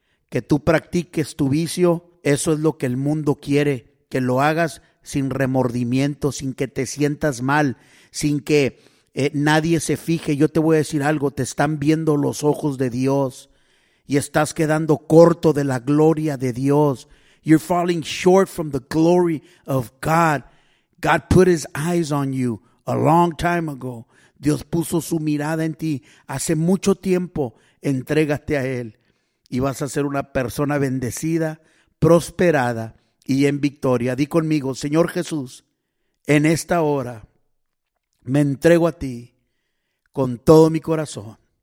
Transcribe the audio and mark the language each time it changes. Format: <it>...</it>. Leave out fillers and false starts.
<es>Que tú practiques tu vicio, eso es lo que el mundo quiere. Que lo hagas sin remordimiento, sin que te sientas mal, sin que nadie se fije. Yo te voy a decir algo, te están viendo los ojos de Dios y estás quedando corto de la gloria de Dios.</es> <en>You're falling short from the glory of God. God put His eyes on you a long time ago.</en> <es>Dios puso su mirada en ti hace mucho tiempo. Entrégate a Él y vas a ser una persona bendecida, prosperada y en victoria. Di conmigo: Señor Jesús, en esta hora me entrego a ti con todo mi corazón.</es>